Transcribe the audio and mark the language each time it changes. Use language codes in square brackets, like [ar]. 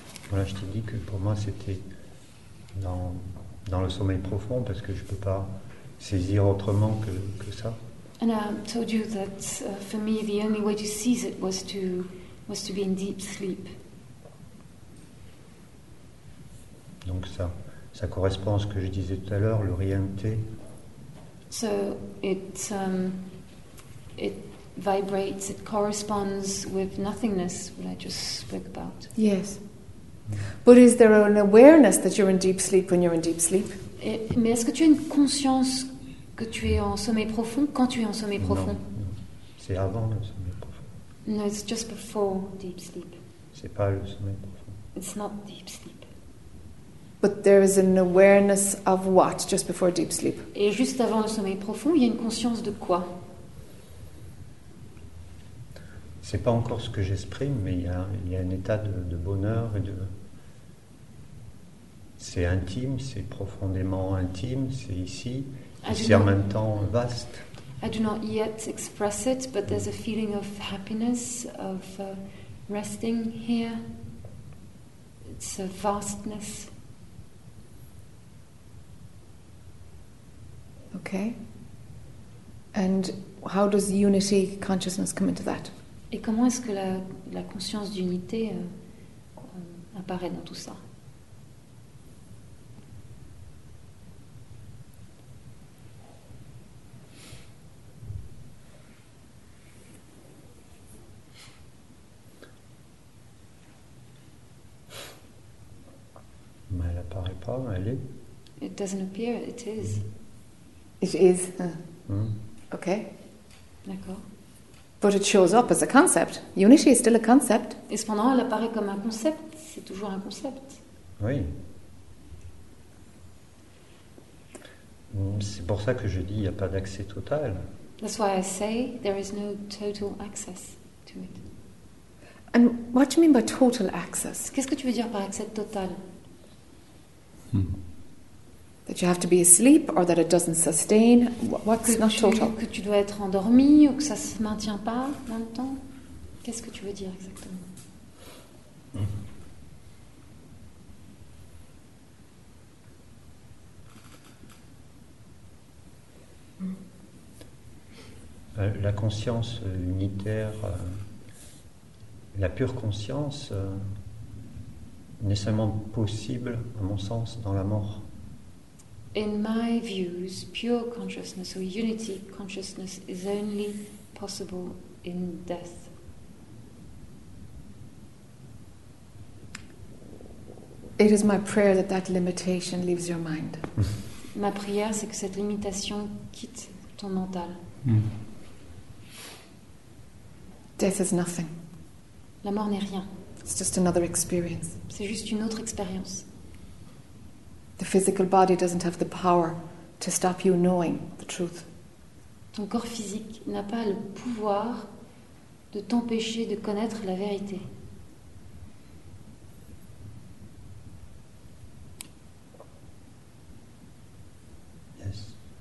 [fr] Voilà, je t'ai dit que pour moi, c'était dans le sommeil profond, parce que je ne peux pas saisir autrement que ça. [en] And I told you that for me, the only way to seize it was to be in deep sleep. [fr] Donc ça... Ça correspond à ce que je disais tout à l'heure, le rien-té. [en] So it vibrates, it corresponds with nothingness, what I just spoke about. Yes. But is there an awareness that you're in deep sleep when you're in deep sleep? [fr] Mais est-ce que tu as une conscience que tu es en sommeil profond quand tu es en sommeil profond? Non, c'est avant le sommeil profond. [en] No, it's just before deep sleep. [fr] C'est pas le sommeil profond. [en] It's not deep sleep. But there is an awareness of what just before deep sleep. [fr] Et juste avant le sommeil profond, il y a une conscience de quoi? C'est pas encore ce que j'exprime, mais il y a un état de bonheur et de. C'est intime, c'est profondément intime, c'est ici, et c'est en même temps vaste. [en] I do not yet express it, but there's a feeling of happiness, of resting here. It's a vastness. Okay. And how does unity consciousness come into that? [fr] Et comment est-ce que la conscience d'unité apparaît dans tout ça? Mais elle apparaît pas, elle est. [en] It doesn't appear, it is. It is. Okay. [fr] D'accord. [en] But it shows up as a concept. Unity is still a concept. [fr] Et cependant, elle apparaît comme un concept. C'est toujours un concept. Oui. C'est pour ça que je dis, il n'y a pas d'accès total. [en] That's why I say there is no total access to it. And what do you mean by total access? [fr] Qu'est-ce que tu veux dire par accès total? [en] That you have to be asleep, or that it doesn't sustain. What's not total? [fr] Que tu dois être endormi, ou que ça se maintient pas dans le temps. Qu'est-ce que tu veux dire exactement? La conscience unitaire, la pure conscience, n'est seulement possible, à mon sens, dans la mort. [en] In my views, pure consciousness or unity consciousness is only possible in death. It is my prayer that that limitation leaves your mind. [fr] Ma prière, c'est que cette limitation quitte ton mental. [en] Death is nothing. [fr] La mort n'est rien. [en] It's just another experience. [fr] C'est juste une autre expérience. [en] The physical body doesn't have the power to stop you knowing the truth. [fr] Ton corps physique n'a pas le pouvoir de t'empêcher de connaître la vérité. [en] Yes.